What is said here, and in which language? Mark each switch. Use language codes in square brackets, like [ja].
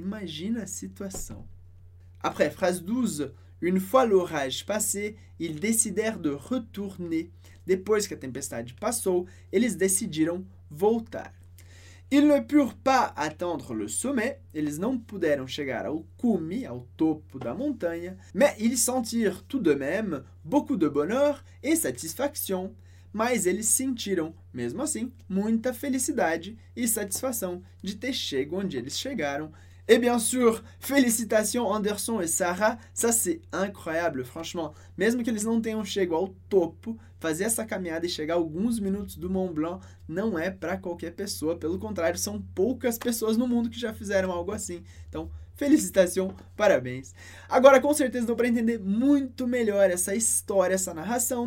[pt] Imagina a situação. [fr] Après, phrase 12. Une fois l'orage passé, ils décidèrent de retourner. [pt] Depois que a tempestade passou, eles decidiram voltar. [fr] Ils ne purent pas atteindre le sommet, [pt] eles não puderam chegar ao cume, ao topo da montanha, [fr] mais ils sentirent tout de même beaucoup de bonheur et satisfaction. [pt] Mas eles sentiram, mesmo assim, muita felicidade e satisfação de ter chego onde eles chegaram. [fr] Et bien sûr, félicitations Anderson et Sarah, ça c'est incroyable, franchement. [pt] Mesmo que eles não tenham chegado ao topo, fazer essa caminhada e chegar alguns minutos do Mont Blanc não é para qualquer pessoa, pelo contrário, são poucas pessoas no mundo que já fizeram algo assim. Então, félicitations, parabéns. Agora, com certeza, dá para entender muito melhor essa história, essa narração.